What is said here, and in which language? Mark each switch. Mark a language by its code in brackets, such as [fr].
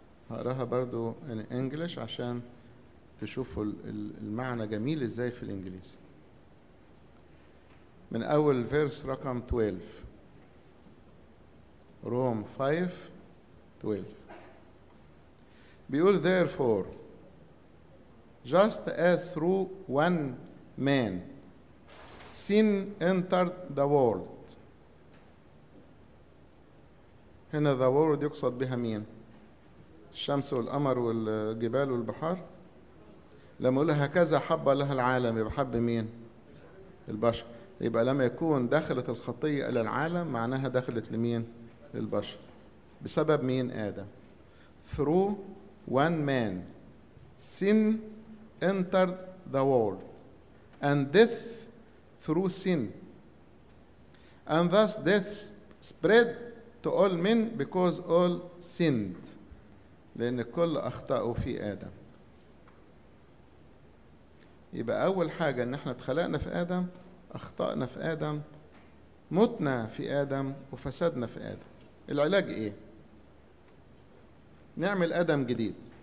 [ar] هقرأها برضو [en] in English [ar] عشان تشوفوا المعنى جميل إزاي في الإنجليزي، من أول فيرس رقم 12، روم 5:12. بيقول [en] therefore just as through one man sin entered the world. [ar] هنا [en] the world [ar] يقصد بها مين؟ الشمس والقمر والجبال والبحار. لما يقول هكذا حب لها العالم، يبقى حب مين؟ البشر. يبقى لما يكون دخلت الخطية إلى العالم معناها دخلت لمين؟ البشر. بسبب مين؟ آدم. [en] Through one man sin entered the world and death through sin and thus death spread to all men because all sinned. [ar] لأن كل أخطأوا في آدم. يبقى أول حاجة أن احنا اتخلقنا في آدم، أخطأنا في آدم، متنا في آدم، وفسدنا في آدم. العلاج إيه؟ نعمل آدم جديد.